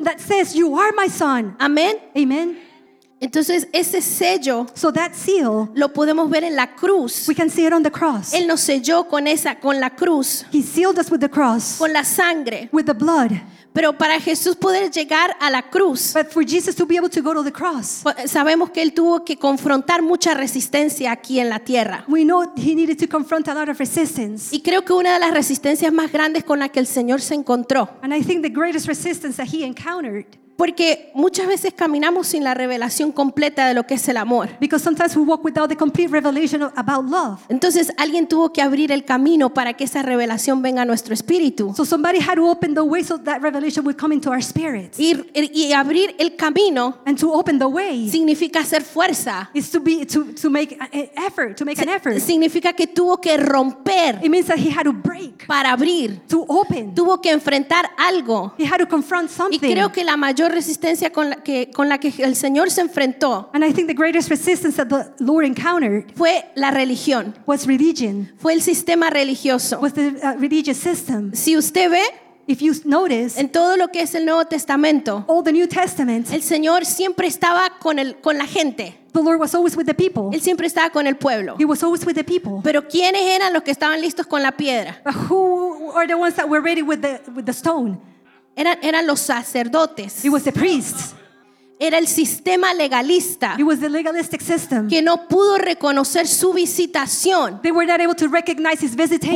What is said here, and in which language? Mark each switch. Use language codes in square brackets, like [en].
[en] That says, you are my son. [es] Amén. [en] Amen. [es] Entonces ese sello, [en] so that seal, [es] lo podemos ver en la cruz. [en] We can see it on the cross. [es] Él nos selló con esa, con la cruz. [en] He sealed us with the cross. [es] Con la sangre. [en] With the blood. [es] Pero para Jesús poder llegar a la cruz, [en] but for Jesus to be able to go to the cross, [es] sabemos que él tuvo que confrontar mucha resistencia aquí en la tierra. [en] We know he needed to confront a lot of resistance. [es] Y creo que una de las resistencias más grandes con la que el Señor se encontró. [en] And I think the greatest resistance that he encountered. [es] Porque muchas veces caminamos sin la revelación completa de lo que es el amor. [en] Because sometimes we walk without the complete revelation about love. [es] Entonces alguien tuvo que abrir el camino para que esa revelación venga a nuestro espíritu. [en] So somebody had to open the way so that revelation would come into our spirits. [es] Y abrir el camino, [en] and to open the way, [es] significa hacer fuerza. [en] Is to make an effort, to make an effort. [es] Significa que tuvo que romper. [en] It means that he had to break. [es] Para abrir. [en] To open. [es] Tuvo que enfrentar algo. [en] He had to confront something. [es] Y creo que la mayor resistencia con la que el Señor se enfrentó, [en] and I think the greatest resistance that the Lord encountered, [es] fue la religión, [en] was religion, [es] fue el sistema religioso, [en] was the religious system. [es] Si usted ve, [en] if you notice, [es] en todo lo que es el Nuevo Testamento, [en] all the New Testament, [es] el Señor siempre estaba con la gente. [en] The Lord was always with the people. [es] Él siempre estaba con el pueblo. [en] He was always with the people. [es] Pero ¿quiénes eran los que estaban listos con la piedra? [en] But who are the ones that were ready with the stone? [es] Eran los sacerdotes. [en] It was the priests. [es] Era el sistema legalista. [en] It was the legalistic system. [es] Que no pudo reconocer su visitación. [en] They were not able to recognize his visitation.